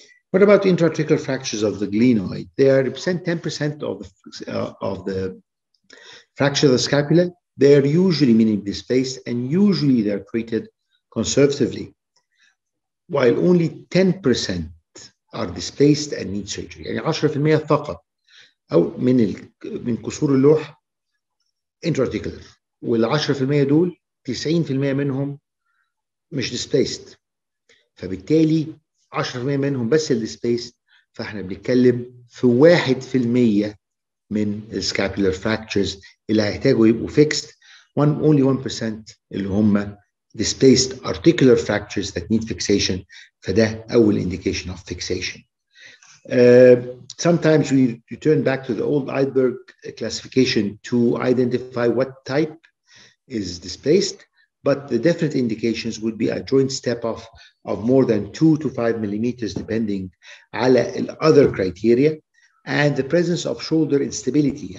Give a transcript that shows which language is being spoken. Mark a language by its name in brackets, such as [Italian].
[English] What about the intra-articular fractures of the glenoid? They represent 10% of the fracture of the scapula. they are usually minimally displaced and usually they are treated conservatively, while only 10% are displaced and need surgery. [Arabic] يعني 10% فقط أو من من كسور اللوح intra-articular. وال 10% دول 90% منهم مش displaced. فبالتالي 10% منهم بس ال displaced. فاحنا بنتكلم في 1% من scapular fractures اللي هيحتاجوا يبقوا fixed. [English] Only 1% [Arabic] اللي هم [English] displaced articular fractures that need fixation. [Arabic] فده أول [English] indication of fixation. Sometimes we return back to the old Eidberg classification to identify what type is displaced, but the definite indications would be a joint step off of more than 2 to 5 millimeters, depending [Arabic] على [English] other criteria, and the presence of shoulder instability.